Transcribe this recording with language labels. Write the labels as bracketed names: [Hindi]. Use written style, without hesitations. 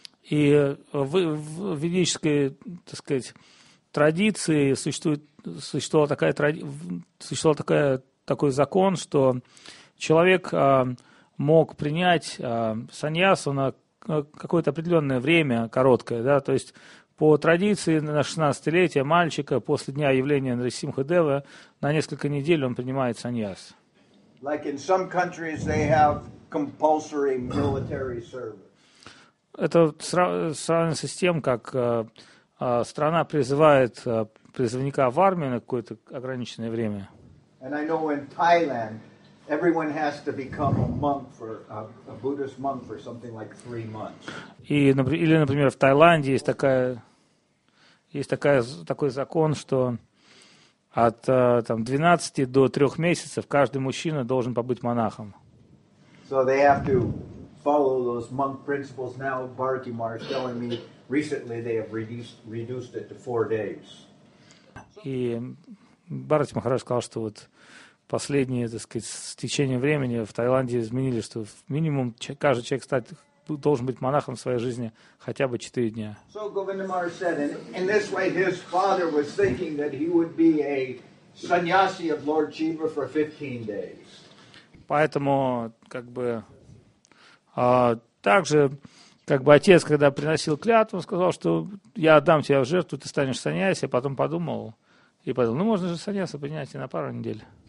[Russian] И в ведической, так сказать, традиции существовал такой закон, что человек мог принять саньясу на какое-то определенное время, короткое, да, то есть по традиции на 16-летие мальчика после дня явления Нрисимхадева на несколько недель он принимает саньяс. [English] Like in some countries they have compulsory military service. [Russian] Это сравнится с тем, как страна призывает призывника в армию на какое-то ограниченное время. [English] And I know in Thailand, everyone has to become a monk for a Buddhist monk for something like 3 months. [Russian] Или, например, в Таиланде есть такой закон, что от 12 до 3 месяцев каждый мужчина должен побыть монахом. [English] So they have to follow those monk principles. Now Bharati Maharaj is telling me recently they have reduced it to 4 days. [Russian] И Бхарати Махарадж сказал, что вот последние, так сказать, с течением времени в Таиланде изменили, что минимум каждый человек должен быть монахом в своей жизни хотя бы 4 дня. [English] So Govinda Maharaj said, and in this way his father was thinking that he would be a sannyasi of Lord Shiva for 15 days. [Russian] Поэтому, как бы, также, как бы отец, когда приносил клятву, он сказал, что я отдам тебя в жертву, ты станешь саньяси, а потом подумал, ну можно же саньяса принять и на пару недель.